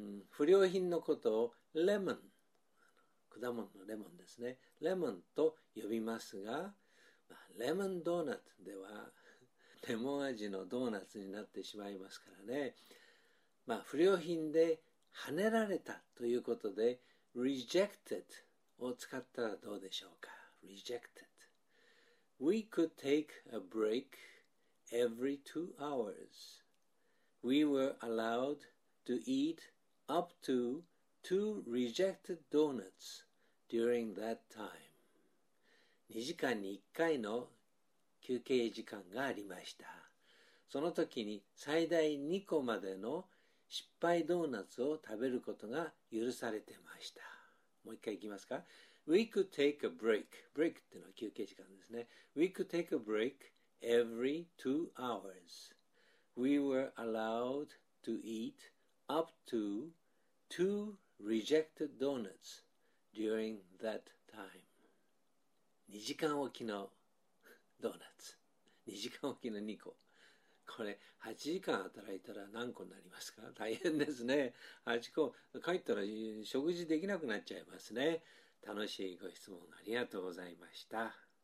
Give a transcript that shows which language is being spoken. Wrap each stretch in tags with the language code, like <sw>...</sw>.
<ja>不良品のことをレモン、果物のレモンですね、レモンと呼びますが、レモンドーナツではレモン味のドーナツになってしまいますからね。まあ不良品で跳ねられたということで rejected を使ったらどうでしょうか。</ja> <en>rejected。 We could take a break every 2 hours. We were allowed to eat up to 2 rejected donuts during that time.</en> <ja>2時間に1回の休憩時間がありました。その時に最大2個までの失敗ドーナツを食べることが許されてました。もう一回いきますか。</ja> <en>We could take a break.</en> <ja>Break っていうのは休憩時間ですね。</ja> <en>We could take a break every 2 hours. We were allowed to eat up to 2 rejected donuts during that time.</en> <ja>2時間おきのドーナツ、2時間おきの2個、これ8時間働いたら何個になりますか。大変ですね。8個帰ったら食事できなくなっちゃいますね。楽しいご質問ありがとうございました。</ja>